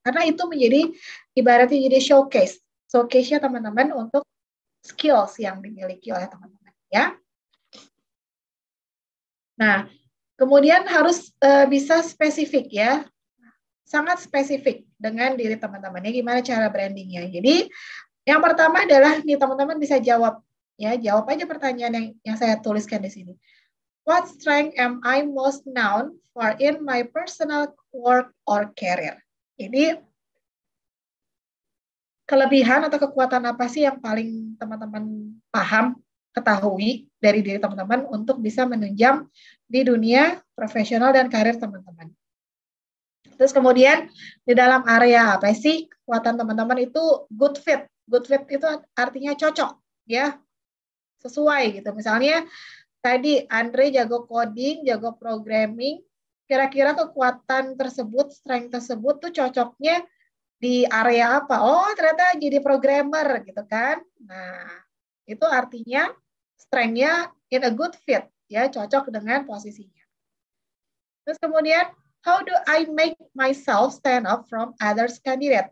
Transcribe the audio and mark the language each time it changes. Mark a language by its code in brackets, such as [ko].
[id] Karena itu menjadi, ibaratnya jadi showcase. Showcase-nya teman-teman untuk skills yang dimiliki oleh teman-teman. Ya. Nah, kemudian harus bisa spesifik ya. Sangat spesifik dengan diri teman-teman. Ya, gimana cara brandingnya. Jadi, yang pertama adalah nih teman-teman bisa jawab. Ya, jawab aja pertanyaan yang saya tuliskan di sini. [en] What strength am I most known for in my personal work or career? [id] Ini kelebihan atau kekuatan apa sih yang paling teman-teman paham, ketahui dari diri teman-teman untuk bisa menunjang di dunia profesional dan karir teman-teman. Terus kemudian di dalam area apa sih kekuatan teman-teman itu good fit? Good fit itu artinya cocok, ya. Sesuai gitu. Misalnya tadi Andre jago coding, jago programming, kira-kira kekuatan tersebut, strength tersebut tuh cocoknya di area apa? Oh, ternyata jadi programmer gitu kan. Nah, itu artinya strength-nya [en] in a good fit [id] ya, cocok dengan posisinya. [en] Terus kemudian, how do I make myself stand out from other candidate?